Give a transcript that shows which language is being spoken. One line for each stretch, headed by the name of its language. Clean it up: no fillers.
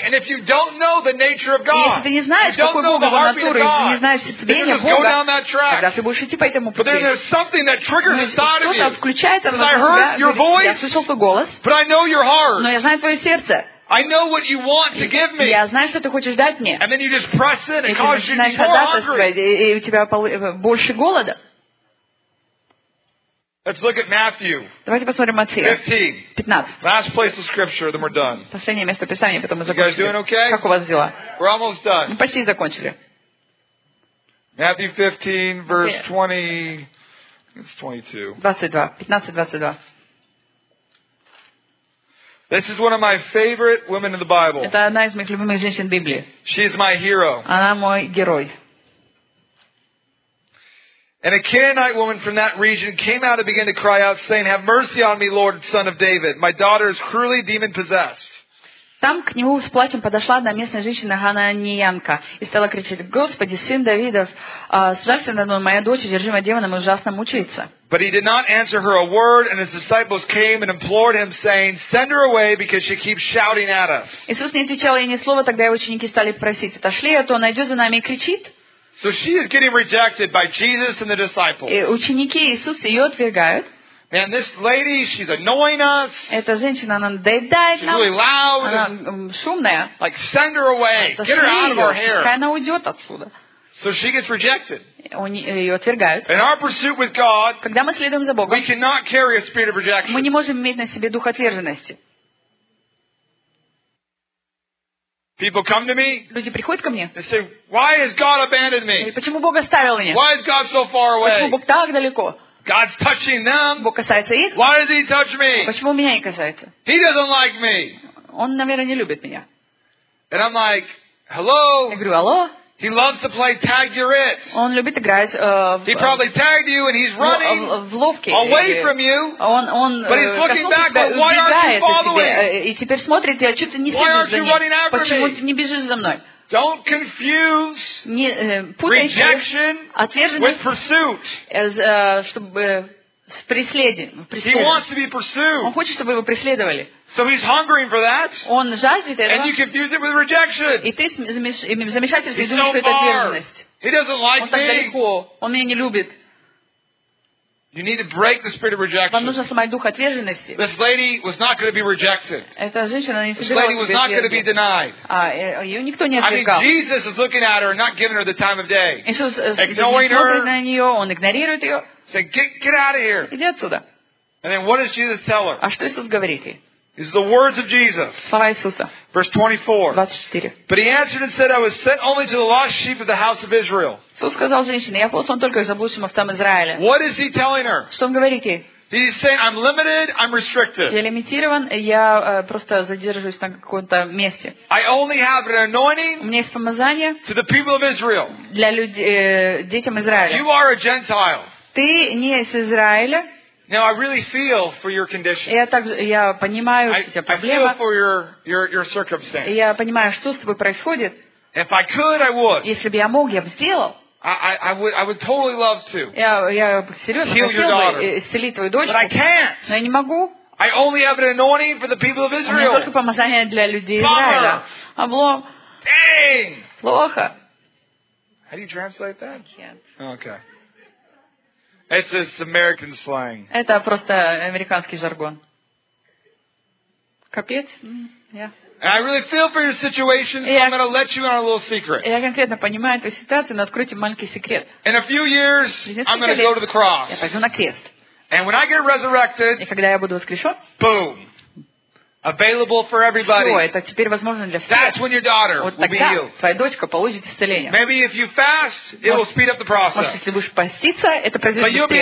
English: And if you don't know the nature of God.
Russian: Не знаешь, какой Бога в натуре, если не знаешь сердцебиение Бога, тогда ты будешь идти по этому пути. Что-то включается внутри тебя. Я слышал твой голос, но я знаю твое сердце.
English: I know what you want to give me.
Russian: Я знаю, что ты хочешь дать мне.
English: And then you just press it and cause you to be more hungry.
Russian: И у тебя больше голода.
English: Let's look at Matthew.
Russian: Давайте посмотрим Матфея. 15.
English: Last place of scripture, then we're done.
Russian: Последнее место Писания, потом мы закончили.
English: You guys doing okay?
Russian: Как у вас дела?
English: We're almost done.
Russian: Мы почти закончили.
English: Matthew 15:22. This is one of my favorite women in the Bible.
Russian: Это одна из моих любимых женщин в Библии.
English: She's my hero.
Russian: Она мой герой.
English: And a Canaanite woman from that region came out and began to cry out, saying, "Have mercy on me, Lord, son of David. My daughter is cruelly demon possessed."
Russian: Там к нему с плачем подошла одна местная женщина, Хананьянка, и стала кричать: "Господи, сын Давидов, сжалься надо мной, моя дочь одержима демоном и ужасно мучается."
English: But he did not answer her a word, and his disciples came and implored him, saying, "Send her away, because she keeps shouting at us."
Russian: Иисус не отвечал ей ни слова, тогда его ученики стали просить: "Отошли, а то она идет за нами и кричит."
English: So she is getting rejected by Jesus and the disciples.
Russian: И ученики Иисуса ее отвергают.
English: And this lady, she's annoying us.
Russian: Эта женщина, она надоедает нам.
English: She's really loud.
Russian: Она шумная.
English: Like, send her away. Get her out of our hair.
Russian: Пускай она уйдет отсюда.
English: So she gets rejected.
Russian: Ее отвергают.
English: In our pursuit with God,
Russian: когда мы следуем за Богом,
English: we cannot carry a spirit of rejection.
Russian: Мы не можем иметь на себе дух отверженности.
English: People come to me.
Russian: Люди приходят ко мне.
English: They say, "Why has God abandoned me?
Russian: Почему Бог оставил меня?
English: Why is God so far away?
Russian: Почему Бог так далеко?"
English: God's touching them.
Russian: Бог касается их.
English: Why does he touch me?
Russian: Почему меня не касается?
English: He doesn't like me.
Russian: Он, наверное, не любит меня.
English: And I'm like, "Hello."
Russian: Я говорю: "Алло."
English: He loves to play tag your it.
Russian: Он любит играть
English: He probably tagged you and he's running
Russian: в ловке.
English: Away from you.
Russian: Он
English: But he's looking back, but why aren't you following?
Russian: И теперь смотрит, я что-то не следую за ним. Почему ты не бежишь за мной?
English: Don't confuse rejection with pursuit. He wants to be pursued.
Russian: Он хочет, чтобы его преследовали.
English: So he's hungering for that.
Russian: Он жаждет этого.
English: And you confuse it with rejection.
Russian: И ты замешательство и думаешь, что это отверженность.
English: He doesn't like me.
Russian: Он так далеко. Он меня не любит.
English: You need to break the spirit of rejection.
Russian: Вам нужно сломать дух отверженности.
English: This lady was not going to be rejected.
Russian: Эта женщина не
English: This lady was not going to be denied.
Russian: Ее никто не отвергал.
English: I mean, Jesus is looking at her and not giving her the time of day.
Russian: Иисус
English: ignoring
Russian: her. На нее, он игнорирует ее.
English: Said, "Get out of here."
Russian: Иди отсюда.
English: And then what does Jesus tell her?
Russian: А что Иисус говорит ей?
English: Is the words of Jesus.
Russian: Слова Иисуса.
English: Verse 24. But he answered and said, "I was sent only to the lost sheep of the house of Israel."
Russian: Иисус сказал женщине: "Я послан только к заблудшим овцам Израиля."
English: What is he telling her?
Russian: Что он говорит ей?
English: He's saying, "I'm limited. I'm restricted."
Russian: Я лимитирован. Я просто задерживаюсь на каком-то месте.
English: I only have an anointing.
Russian: У меня есть помазание.
English: To the people of Israel.
Russian: Для людей, детям Израиля. You are a Gentile. Ты не из Израиля. Now I really feel for your condition. Я понимаю, что у тебя проблема. I feel for your circumstance. Я понимаю, что с тобой происходит. If I could, I would. Если бы я мог, я бы сделал. I would totally love to. Я серьезно хотел бы исцелить твою дочь. But I can't. Но я не могу. I only have an anointing for the people of Israel. У меня только помазание для людей Израиля. Облом.
English: Dang.
Russian: Плохо.
English: How do you translate that? Can't. Okay. It's just American slang.
Russian: Это просто американский жаргон. Капец?
English: And I really feel for your situation, so I'm going to let you in on a little secret.
Russian: Я конкретно понимаю эту ситуацию, но открою тебе маленький секрет.
English: In a few years, I'm going to go to the cross.
Russian: Я пойду на крест.
English: And when I get resurrected,
Russian: и когда я буду воскрешен,
English: boom, available for everybody.
Russian: Все, это теперь возможно для всех.
English: That's when your daughter will be healed.
Russian: Вот тогда твоя дочка получит исцеление.
English: Maybe if you fast, it will speed up the process.
Russian: Может, если будешь поститься, это произойдет быстрее.